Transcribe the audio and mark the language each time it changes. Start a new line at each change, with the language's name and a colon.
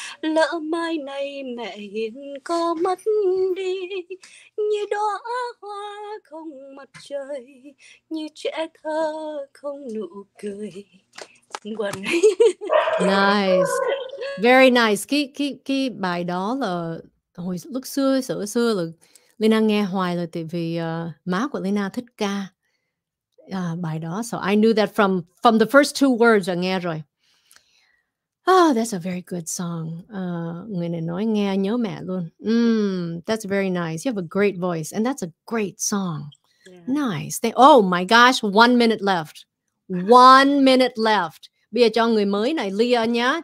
Vietnamese: Lỡ mai này mẹ hiền có mất đi, như đóa hoa không mặt trời, như trẻ thơ không nụ cười.
English: Nice, very nice.
Vietnamese: Cái bài đó là hồi lúc xưa, xưa là Lina nghe hoài rồi, tại vì má của Lina thích ca. Bài đó.
English: So I knew that from the first two words I
Vietnamese: nghe rồi.
English: Oh, that's a very good song.
Vietnamese: Người này nói nghe nhớ mẹ luôn.
English: That's very nice. You have a great voice. And that's a great song. Yeah. Nice. Oh my gosh, 1 minute left. 1 minute left.
Vietnamese: Bây giờ cho người mới này, Leah nha.